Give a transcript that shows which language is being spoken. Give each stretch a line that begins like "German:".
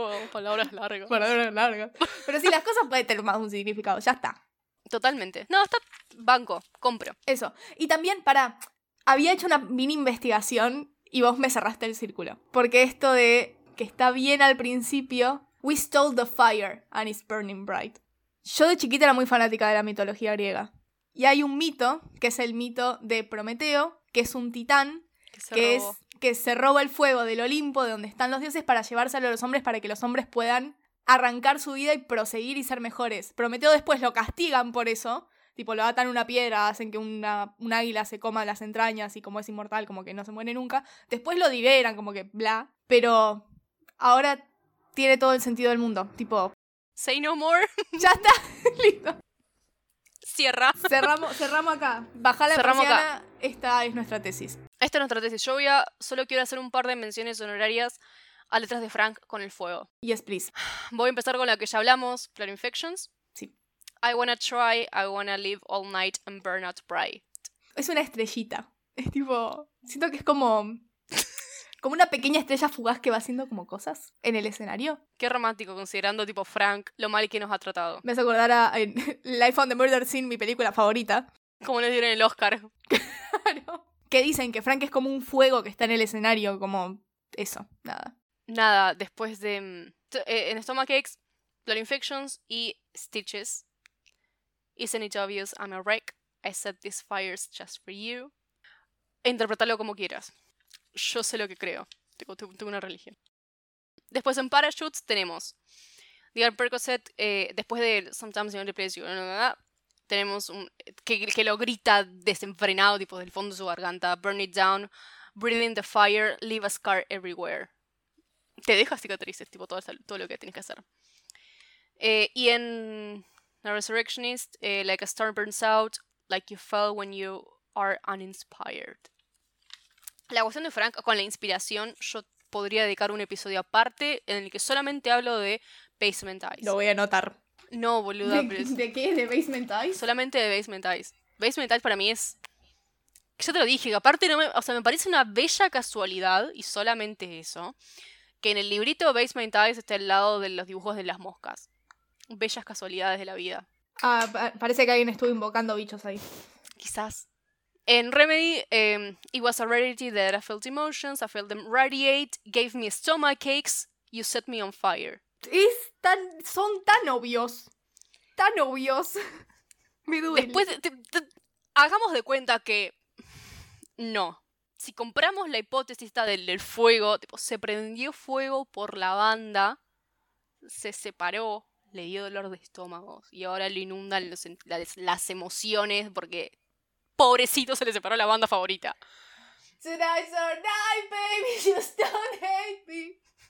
Spanish: Palabras largas. Palabras largas. Pero sí, las cosas pueden tener más un significado. Ya está. Totalmente. No, está banco. Compro. Eso. Y también, para... Había hecho una mini investigación y vos me cerraste el círculo. Porque esto de que está bien al principio...
English: We stole the fire and it's burning bright.
Spanish: Yo de chiquita era muy fanática de la mitología griega. Y hay un mito, que es el mito de Prometeo, que es un titán... Que se roba el fuego del Olimpo, de donde están los dioses, para llevárselo a los hombres, para que los hombres puedan arrancar su vida y proseguir y ser mejores. Prometeo después lo castigan por eso, tipo lo atan a una piedra, hacen que un águila se coma las entrañas y como es inmortal, como que no se muere nunca. Después lo liberan, como que bla. Pero ahora tiene todo el sentido del mundo, tipo...
English: Say no more.
Spanish: Ya está, listo. Cierra. Cerramos acá. Baja la persiana, esta es nuestra tesis. Esta es nuestra tesis. Yo voy a... Solo quiero hacer un par de menciones honorarias a Letras de Frank con el fuego.
English: Yes, please.
Spanish: Voy a empezar con la que ya hablamos, Plant Infections. Sí.
English: I wanna try, I wanna live all night and burn out bright.
Spanish: Es una estrellita. Es tipo... Siento que es como... Como una pequeña estrella fugaz que va haciendo como cosas en el escenario. Qué romántico, considerando tipo Frank lo mal que nos ha tratado. Me hace acordar a Life on the Murder Scene, mi película favorita. Como le dieron el Oscar. Claro. Que dicen que Frank es como un fuego que está en el escenario, como eso, nada. Nada, después de... En Stomach Aches, Blood Infections y Stitches.
English: Isn't it obvious I'm a wreck? I set these fires just for you.
Spanish: Interpretalo como quieras. Yo sé lo que creo. Tengo una religión. Después en Parachutes tenemos... Dear Percocet, después de Sometimes You Replace You... Tenemos un... Que lo grita desenfrenado, tipo, del fondo de su garganta.
English: Burn it down. Breathing the fire. Leave a scar everywhere.
Spanish: Te deja cicatrices, tipo, todo lo que tienes que hacer. Y en
English: The Resurrectionist, like a storm burns out. Like you fell when you are uninspired.
Spanish: La cuestión de Frank con la inspiración, yo podría dedicar un episodio aparte en el que solamente hablo de Basement Eyes. Lo voy a anotar. No, boluda. ¿De qué? ¿De Basement Eyes? Solamente de Basement Eyes. Basement Eyes para mí es... Ya te lo dije, que aparte no me... O sea, me parece una bella casualidad, y solamente eso, que en el librito Basement Eyes esté al lado de los dibujos de las moscas. Bellas casualidades de la vida. Ah, parece que alguien estuvo invocando bichos ahí. Quizás.
English: En Remedy, it was a rarity that I felt emotions, I felt them radiate, gave me stomach aches, you set me on fire.
Spanish: Es tan, son tan obvios. Tan obvios. Me duele. Después, hagamos de cuenta que no. Si compramos la hipótesis del fuego, tipo, se prendió fuego por la banda, se separó, le dio dolor de estómago y ahora le inundan las emociones porque pobrecito se le separó la banda favorita.
English: Tonight's our night, baby, just don't hate me.